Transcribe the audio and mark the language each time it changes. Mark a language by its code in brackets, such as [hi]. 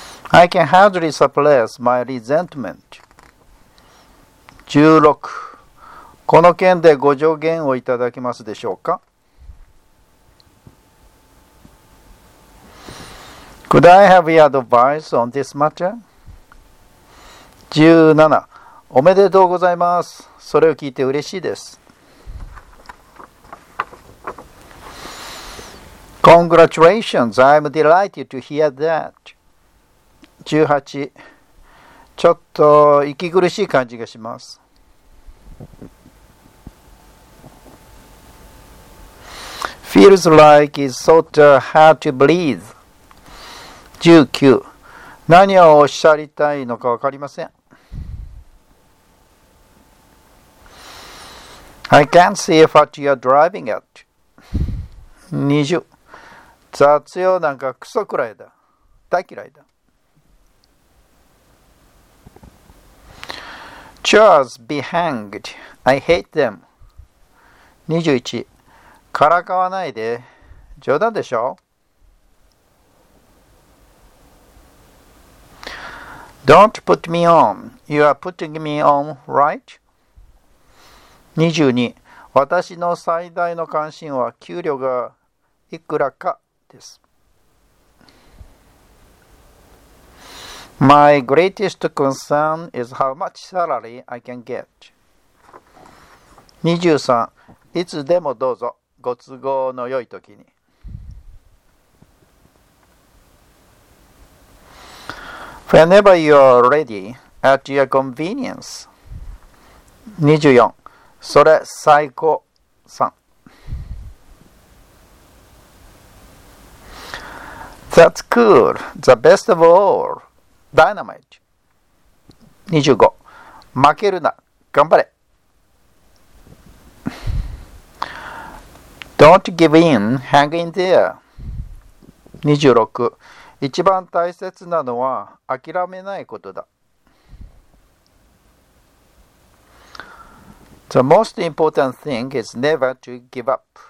[en] I can hardly suppress my resentment. 16. [ja] この件でご助言をいただけますでしょうか? [en] Could I have your advice on this matter? 17. [ja] おめでとうございます。それを聞いて嬉しいです。 [en] Congratulations, I'm delighted to hear that. 18. [ja] ちょっと息苦しい感じがします。 [en] Feels like it's sort of hard to breathe. 19. [ja] 何をおっしゃりたいのかわかりません。 [en] I can't see what you're driving at. 20. [ja] 雑用なんかクソくらいだ。大嫌いだ。 [en] Chores be hanged. I hate them. 21. [ja] からかわないで。冗談でしょ? [en] Don't put me on. You are putting me on, right? 22. [ja] 私の最大の関心は給料がいくらかです。 [en] My greatest concern is how much salary I can get. 23. [ja] いつでもどうぞ、ご都合の良い時に。 [en] Whenever you are ready, at your convenience. 24. [ja] それ最高。 [en] That's cool. The best of all. Dynamite. [ja] 25. 負けるな。頑張れ。 [en] Don't give in, hang in there. 26. [ja] 一番大切なのは諦めないことだ。 [en] The most important thing is never to give up.